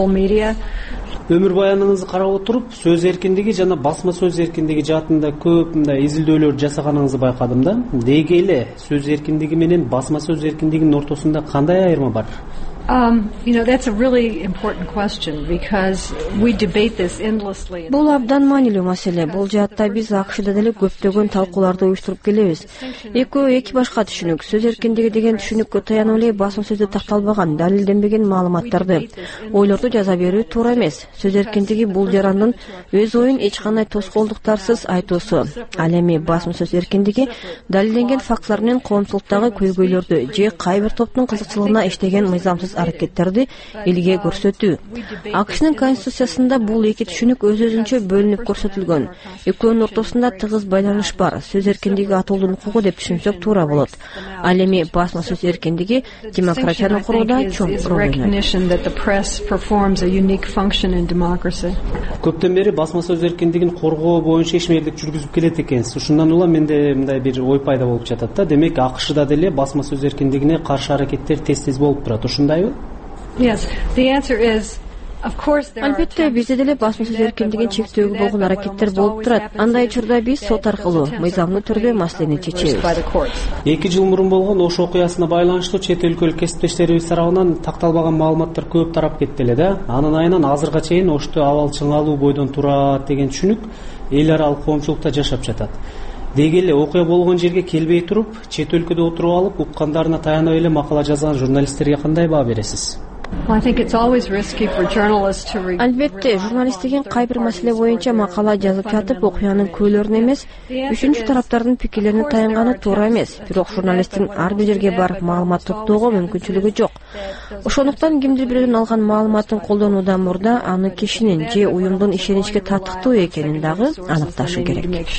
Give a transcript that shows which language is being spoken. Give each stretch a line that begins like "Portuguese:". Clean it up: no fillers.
Kyrgyz: Өмүр баяныңызды карап отуруп, сөз эркиндиги жана басма сөз эркиндиги жаатында көп мындай изилдөөлөр жасаганыңызды байкадым да. Деги эле сөз эркиндиги менен басма сөз эркиндигинин ортосунда кандай айырма бар?
English: That's a really important question because we debate this endlessly.
Kyrgyz: Бул абдан маанилүү маселе. Бул жаатта биз АКШда деле көптөгөн талкууларды уюштуруп келебиз. Экөө эки башка түшүнүк. Сөз эркиндиги деген түшүнүккө таянып эле басма сөздө такталбаган, далилденбеген маалыматтарды, ойлорду жаза берүү туура эмес. Сөз эркиндиги бул жарандын өз оюн эч кандай тоскоолдуктарсыз айтуусу. Ал эми басма сөз эркиндиги далилденген фактылар менен коомчулуктагы көйгөйлөрдү же кайбир топтун кызыкчылыгына иштеген мыйзам аракеттерди элге көрсөтүү. АКШнын конституциясында бул эки түшүнүк өз-өзүнчө бөлүнүп көрсөтүлгөн. Экөөнүн ортосунда тыгыз байланыш бар. Сөз эркиндиги атолдун укугу деп түшүнсөк туура болот. Ал эми басма сөз эркиндиги демократияны курууда чоң рол ойнойт. Көптөн бери басма сөз эркиндигин коргоо боюнча ишмерлик жүргүзүп келет экенсиз. Ушундан улам менде мындай бир ой пайда болуп жатат да. Демек АКШда деле басма сөз эркиндигине каршы аракеттер тез-тез болуп турат. Ушундайбы?
English: Yes, the answer is of course there are.
Kyrgyz: Албетте, бизде деле басма сөз эркиндигин чектөөгө болгон аракеттер болуп турат. Андай учурда биз сот аркылуу мыйзамдуу түрдө маселени чечебиз. 2 жыл мурун болгон Ош окуясына байланыштуу чет өлкөлүк кесиптештерибиз тарабынан такталбаган маалыматтар көп тарап кетти эле да. Анын айынан азыркы чейин Ошто абал чыңалуу бойдон турат деген түшүнүк эл аралык коомчулукта жашап жатат. Деги эле окуя болгон жерге келбей туруп, чет өлкөдө отуруп алып, уккандарына таянып эле макала жазган журналисттерге кандай баа бересиз?
English: I think it's always risky for journalists to read.
Kyrgyz: Албетте, журналист деген кай бир маселе боюнча макала жазып жатып, окуянын көйлөрүн эмес, үчүнчү тараптардын пикирлерине таянганы туура эмес. Бирок журналисттин ар бир жерге барып маалымат топтоого мүмкүнчүлүгү жок. Ошондуктан кимдир бирөөнүн алган маалыматын колдонуудан мурда аны кишинин же уюмдун ишеничке татыктуу экенин дагы аныкташы керек.